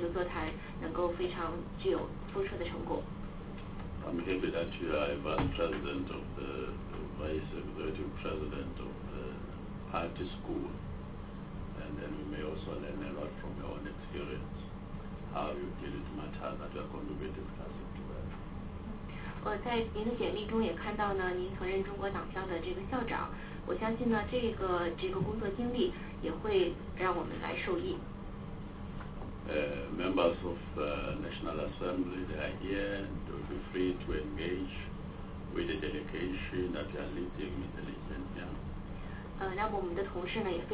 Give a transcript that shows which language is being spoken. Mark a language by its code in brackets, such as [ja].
[zh] 非常感谢李团长带领全国人大民族委员会的代表团来我们的议会访问。希望呢，我们今天上午的这个座谈能够非常具有丰硕的成果。 [en] I'm happy that you are a vice president of the vice executive president of the party school, and then we may also learn a lot from your own experience how you deal with matters that you are going to be discussing today. [zh] 我在您的简历中也看到呢，您曾任中国党校的这个校长，我相信呢，这个工作经历也会让我们来受益。 [en] Members of the National Assembly, they are here and will be free to engage with the delegation that we are leading in the region here.